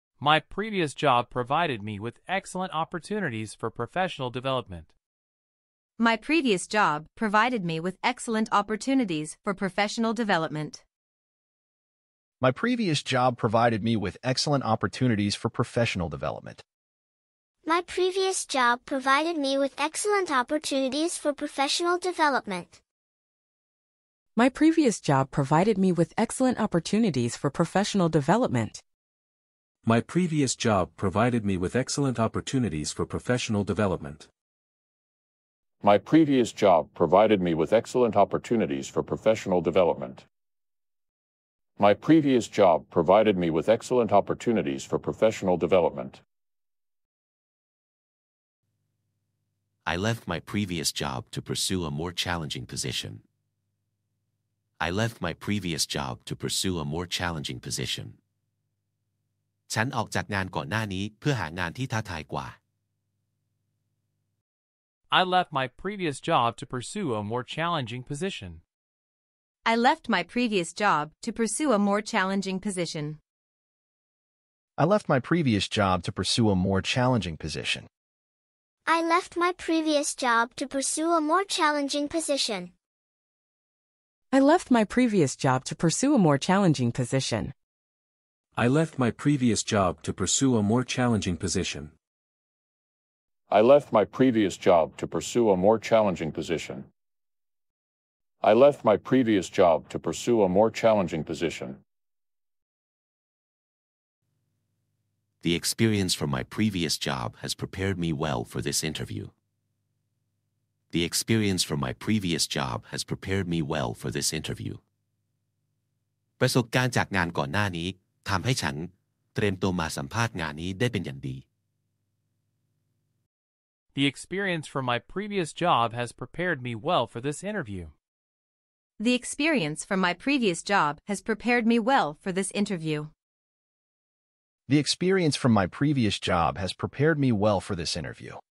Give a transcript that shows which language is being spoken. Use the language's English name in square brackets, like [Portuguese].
[English] My previous job provided me with excellent opportunities for professional development. My previous job provided me with excellent opportunities for professional development. My previous job provided me with excellent opportunities for professional development. My previous job provided me with excellent opportunities for professional development. My previous job provided me with excellent opportunities for professional development. My previous job provided me with excellent opportunities for professional development. My previous job provided me with excellent opportunities for professional development. My previous job provided me with excellent opportunities for professional development. I left my previous job to pursue a more challenging position. I left my previous job to pursue a more challenging position. [Thai] ฉันออกจากงานก่อนหน้านี้เพื่อหางานที่ท้าทายกว่า [English] I left my previous job to pursue a more challenging position. I left my previous job to pursue a more challenging position. I left my previous job to pursue a more challenging position. I left my previous job to pursue a more challenging position. I left my previous job to pursue a more challenging position. I left my previous job to pursue a more challenging position. I left my previous job to pursue a more challenging position. I left my previous job to pursue a more challenging position. The experience from my previous job has prepared me well for this interview. The experience from my previous job has prepared me well for this interview. [Thai] ประสบการณ์จากงานก่อนหน้านี้ทำให้ฉันเตรียมตัวมาสัมภาษณ์งานนี้ได้เป็นอย่างดี [English] The experience from my previous job has prepared me well for this interview. The experience from my previous job has prepared me well for this interview. The experience from my previous job has prepared me well for this interview.